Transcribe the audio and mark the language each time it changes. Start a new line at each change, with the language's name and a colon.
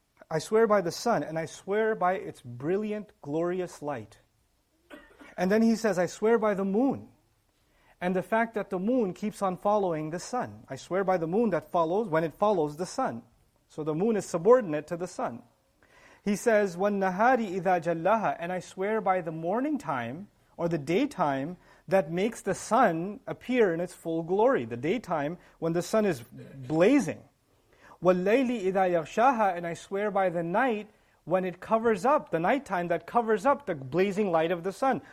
English: I swear by the sun, and I swear by its brilliant, glorious light. And then he says, I swear by the moon, and the fact that the moon keeps on following the sun. I swear by the moon that follows when it follows the sun. So the moon is subordinate to the sun. He says,
Arabic: وَالنَّهَارِ إِذَا جَلَّهَا.
English: And I swear by the morning time, or the daytime, that makes the sun appear in its full glory. The daytime when the sun is blazing.
Arabic: وَالْلَيْلِ إِذَا يَغْشَاهَا.
English: And I swear by the night when it covers up, the nighttime that covers up the blazing light of the sun.